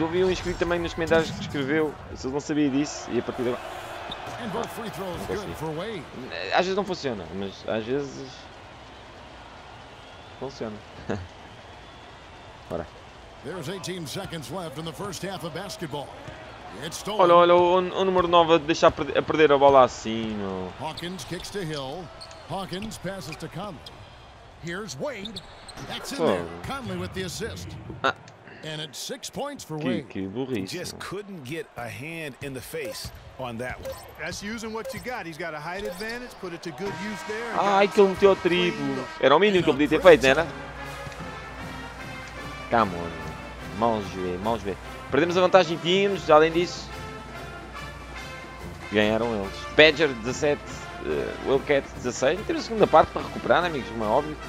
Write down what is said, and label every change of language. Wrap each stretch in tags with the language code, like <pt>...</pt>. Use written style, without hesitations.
<pt>Ouvi um inscrito também nos comentários que escreveu. Se eles não sabiam disso, e a partir de agora. Ah, às vezes não funciona, mas às vezes. Funciona. Bora.</pt> <en>There's 18 seconds left in the first half of basketball. It's stolen.</en> <pt>Olha o número 9 deixar a perder a bola assim. Não.</pt> <en>Hawkins kicks to Hill. Hawkins passes to Conley. Here's Wade. That's in there. Conley with the assist. And it's 6 points for Wade.</en> <pt>Que burrice.</pt> <en>Just couldn't get a hand in the face on that one. That's using what you got. He's got a height advantage. Put it to good use there.</en> <pt>Ai, que ele meteu o triplo. Era o mínimo que ele podia ter feito, né?</pt> <en>Come on.</en> <pt>Mãos ver. Perdemos a vantagem em times, além disso, ganharam eles. Badger 17, Wildcat 16. Temos a segunda parte para recuperar, né, amigos, como é óbvio.</pt>